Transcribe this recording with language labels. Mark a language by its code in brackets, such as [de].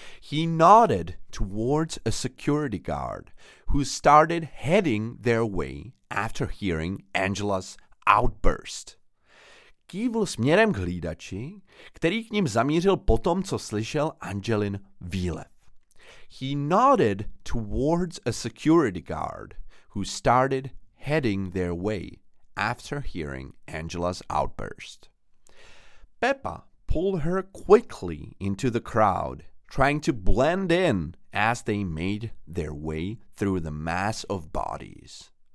[en] He nodded towards a security guard who started heading their way after hearing Angela's outburst. [cs] Kývl směrem k hlídači, který k ním zamířil potom, co slyšel Angelin výlev. [en] He nodded towards a security guard who started heading their way after hearing Angela's outburst. Peppa pulled her quickly into the crowd, trying to blend in as they made their way through the mass of bodies.